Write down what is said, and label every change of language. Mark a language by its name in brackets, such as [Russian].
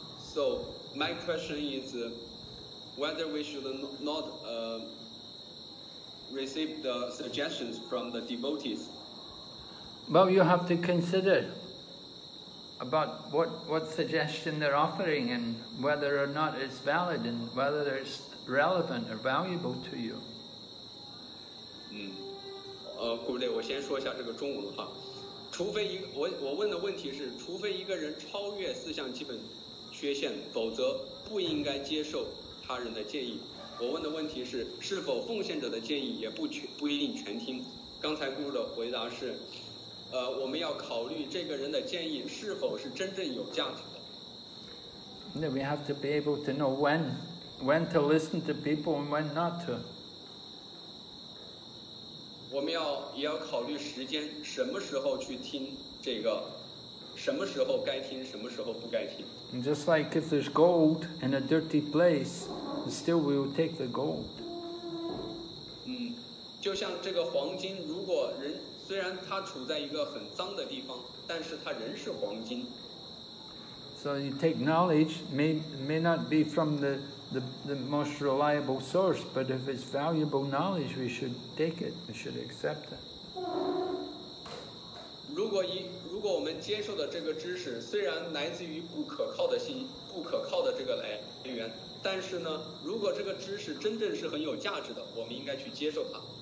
[English] So my question is whether we should not receive the suggestions from the devotees. Well, you have to consider about what suggestion they're offering and whether or not it's valid and whether there's. Relevant or valuable to you. [Chinese] 顾队，我先说一下这个中文哈。除非我问的问题是，除非一个人超越四项基本缺陷，否则不应该接受他人的建议。我问的问题是，是否奉献者的建议也不一定全听。刚才顾的回答是，我们要考虑这个人的建议是否是真正有价值的。 [English] that we have to be able to know when to listen to people and when not to. [Chinese] 我们也要考虑时间，什么时候去听这个，什么时候该听，什么时候不该听。 [English] And just like if there's gold in a dirty place, still we will take the gold. [Chinese] 就像这个黄金，如果人虽然它处在一个很脏的地方，但是它仍是黄金。 [English] So you take knowledge may not be from the most reliable source, but if it's valuable knowledge, we should take it, we should accept it. [Chinese] 如果我们接受的这个知识虽然来自于不可靠的这个来源，但是呢，如果这个知识真正是很有价值的，我们应该去接受它。